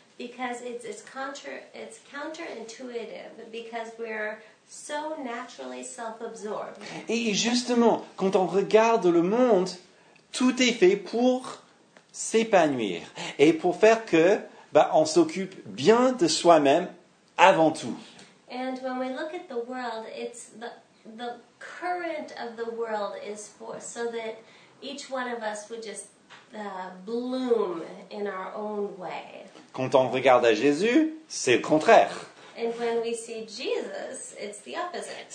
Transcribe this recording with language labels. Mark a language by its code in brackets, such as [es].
[en] Because it's counterintuitive, because we're so naturally self-absorbed. [fr] Et justement, quand on regarde le monde, tout est fait pour s'épanouir et pour faire que on s'occupe bien de soi-même avant tout. [en] And when we look at the world, it's the current of the world is for so that each one of us would just bloom in our own way. [fr] Quand on regarde à Jésus, c'est le contraire. [en] And when we see Jesus, it's the opposite.